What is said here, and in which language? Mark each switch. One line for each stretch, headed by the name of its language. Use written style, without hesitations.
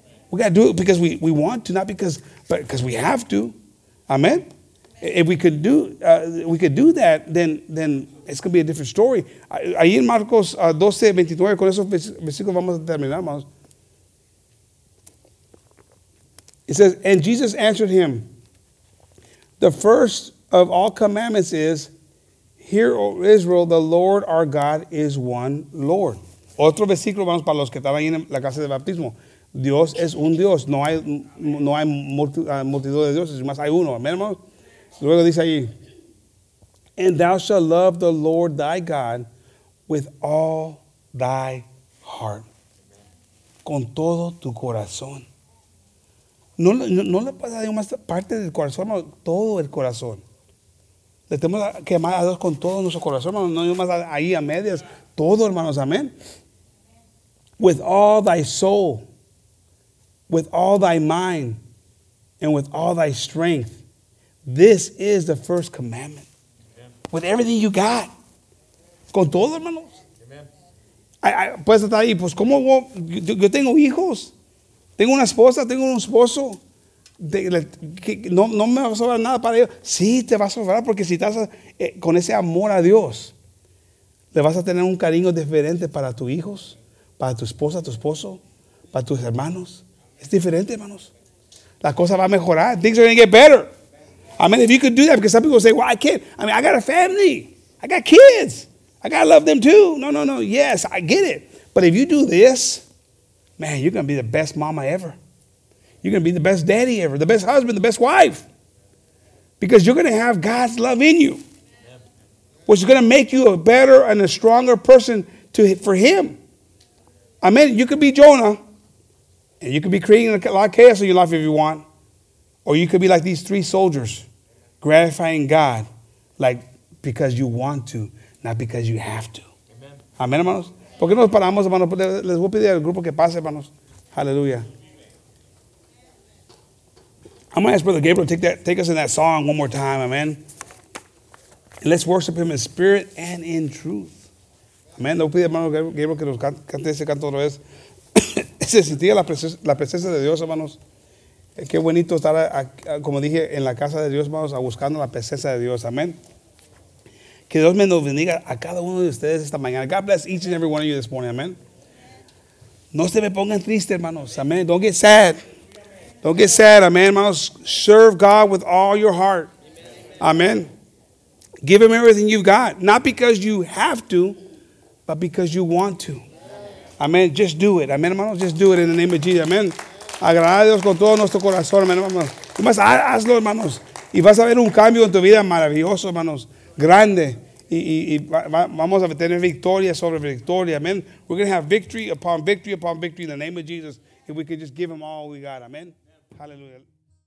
English: We got to do it because we want to, not because we have to. Amén. If we could do that, then it's going to be a different story.
Spanish: Ahí en Marcos 12, 29, con esos versículos vamos a terminar, hermanos.
English: It says, and Jesus answered him, the first of all commandments is, hear, O Israel, the Lord our God is one Lord.
Spanish: Otro versículo, vamos, para los que estaban ahí en la casa de baptismo. Dios es un Dios. No hay multitud de dioses, más hay uno. Amén, hermanos. Luego dice ahí,
English: and thou shalt love the Lord thy God with all thy heart.
Spanish: Con todo tu corazón. No le pasa a Dios más parte del corazón, hermano, todo el corazón. Le tenemos que amar a Dios con todo nuestro corazón, hermano. No más ahí a medias. Todo, hermanos, amén.
English: With all thy soul, with all thy mind, and with all thy strength. This is the first commandment. Amen. With everything you got.
Spanish: Con todo, hermanos.
English: Amen.
Spanish: Puedes estar ahí, pues, ¿cómo? Yo tengo hijos. Tengo una esposa, tengo un esposo. No me va a sobrar nada para ellos. Sí, te va a sobrar porque si estás con ese amor a Dios, le vas a tener un cariño diferente para tus hijos, para tu esposa, tu esposo, para tus hermanos. Es diferente, hermanos. La cosa va a mejorar.
English: Things are going to get better. I mean, if you could do that, because some people say, well, I can't. I mean, I got a family. I got kids. I got to love them too. No, no, no. Yes, I get it. But if you do this, man, you're going to be the best mama ever. You're going to be the best daddy ever, the best husband, the best wife. Because you're going to have God's love in you, which is going to make you a better and a stronger person for him. I mean, you could be Jonah, and you could be creating a lot of chaos in your life if you want. Or you could be like these three soldiers, gratifying God, like because you want to, not because you have to.
Spanish: Amen, hermanos. ¿Por qué nos paramos, hermanos? Les voy a pedir al grupo que pase, hermanos.
English: Hallelujah. I'm going to ask Brother Gabriel to take us in that song one more time, amen. And let's worship him in spirit and in truth. Amen.
Spanish: Le voy a pedir, hermano Gabriel, que nos cante ese canto otra vez. Se sentía la presencia de Dios, hermanos. Qué bonito estar, como dije, en la casa de Dios, hermanos, buscando la presencia de Dios, amen. Que Dios me nos bendiga a cada uno de ustedes esta mañana.
English: God bless each and every one of you this morning, amen.
Spanish: No se me pongan triste, hermanos, amen.
English: Don't get sad. Don't get sad,
Spanish: amen, hermanos.
English: Serve God with all your heart, amen. Give him everything you've got, not because you have to, but because you want to. Amen, just do it, amen, hermanos. Just do it in the name of Jesus, amen.
Spanish: Agradar a Dios con todo nuestro corazón, amén, hermanos. Y más, hazlo, hermanos. Y vas a ver un cambio en tu vida maravilloso, hermanos. Grande. Y vamos a tener victoria sobre victoria, amén.
English: We're going to have victory upon victory upon victory in the name of Jesus. If we could just give him all we got, amén. Hallelujah.